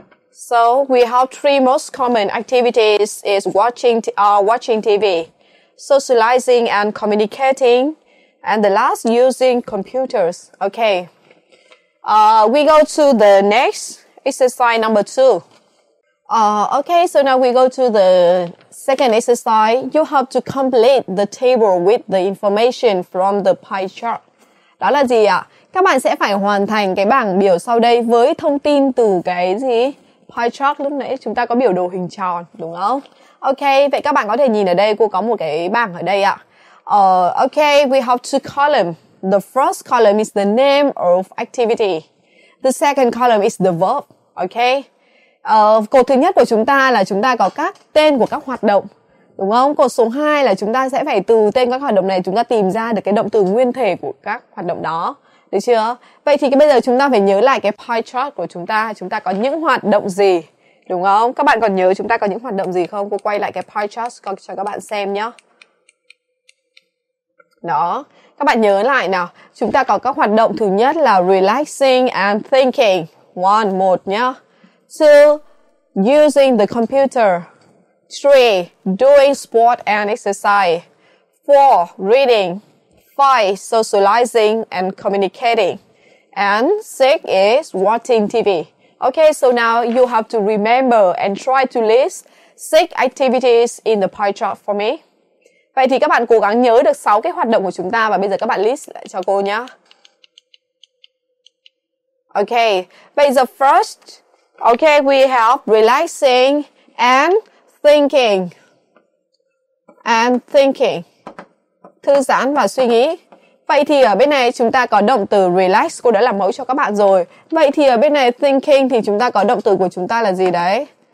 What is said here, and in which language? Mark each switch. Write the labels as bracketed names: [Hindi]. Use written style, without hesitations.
[English] So we have 3 most common activities is watching TV, socializing and communicating, and the last using computers. Okay. We go to the next exercise number 2. Okay, so now we go to the second exercise. You have to complete the table with the information from the pie chart. [Vietnamese] Đó là gì ạ? Các bạn sẽ phải hoàn thành cái bảng biểu sau đây với thông tin từ cái gì? Pie chart lúc nãy chúng ta có biểu đồ hình tròn, đúng không? Ok, vậy các bạn có thể nhìn ở đây, cô có một cái bảng ở đây ạ. [English] Ok, we have 2 columns. The first column is the name of activity. The second column is the verb. [Vietnamese] Ok, cột thứ nhất của chúng ta là chúng ta có các tên của các hoạt động, đúng không? Cột số 2 là chúng ta sẽ phải từ tên các hoạt động này chúng ta tìm ra được cái động từ nguyên thể của các hoạt động đó. Được chưa? Vậy thì bây giờ chúng ta phải nhớ lại cái pie chart của chúng ta có những hoạt động gì, đúng không? Các bạn còn nhớ chúng ta có những hoạt động gì không? Cô quay lại cái pie chart cho các bạn xem nhé. Đó, các bạn nhớ lại nào. Chúng ta có các hoạt động thứ nhất là [English] relaxing and thinking. [Vietnamese] Một nhé. [English] 2, using the computer. 3, doing sport and exercise. 4, reading. 5, socializing and communicating. And 6 is watching TV. Okay, so now you have to remember and try to list 6 activities in the pie chart for me. [Vietnamese] Vậy thì các bạn cố gắng nhớ được 6 cái hoạt động của chúng ta và bây giờ các bạn list lại cho cô nhé. [English] Okay, [Vietnamese] bây giờ [English] first, okay, we have relaxing and thinking. And thinking. [Vietnamese] Thư giãn và suy nghĩ. Vậy thì ở bên này chúng ta có động từ relax, cô đã làm mẫu cho các bạn rồi. Vậy thì ở bên này thinking thì chúng ta có động từ của chúng ta là gì đấy?